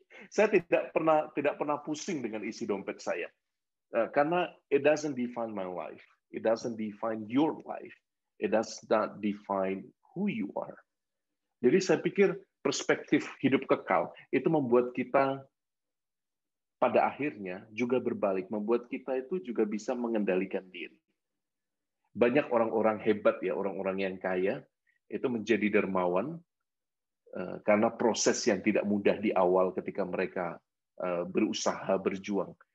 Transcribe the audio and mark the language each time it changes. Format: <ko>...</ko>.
<id>Saya tidak pernah pusing dengan isi dompet saya. Karena</id> <en>it doesn't define my life. It doesn't define your life. It does not define who you are.</en> <id>Jadi saya pikir perspektif hidup kekal itu membuat kita pada akhirnya juga berbalik, membuat kita itu juga bisa mengendalikan diri. Banyak orang-orang hebat ya, orang-orang yang kaya, itu menjadi dermawan karena proses yang tidak mudah di awal ketika mereka berusaha, berjuang.</id>